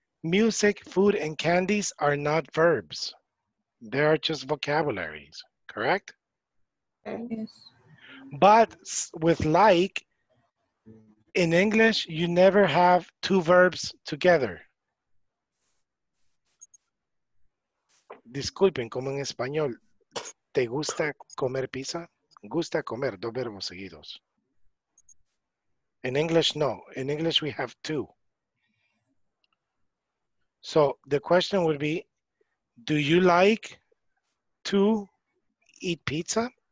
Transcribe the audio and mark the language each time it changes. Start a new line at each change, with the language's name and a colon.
English: Music, food, and candies are not verbs. They are just vocabularies, correct? Yes. But with like, in English, you never have two verbs together.
Spanish: Disculpen, como en español, ¿te gusta comer pizza? Gusta comer, dos verbos seguidos.
English: In English, no. In English, we have two. So the question would be, Do you like to eat pizza?